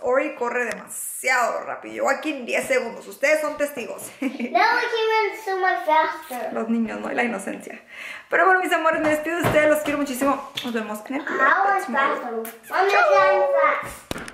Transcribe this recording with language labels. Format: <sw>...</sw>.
<es>Ori corre demasiado rápido. Aquí en 10 segundos. Ustedes son testigos.</es> <en>Now we came in so much faster.</en> <es>Los niños, no hay la inocencia. Pero bueno, mis amores, me despido de ustedes. Los quiero muchísimo. Nos vemos en el próximo.</es> <en>How is faster? Mommy, how is fast?</en>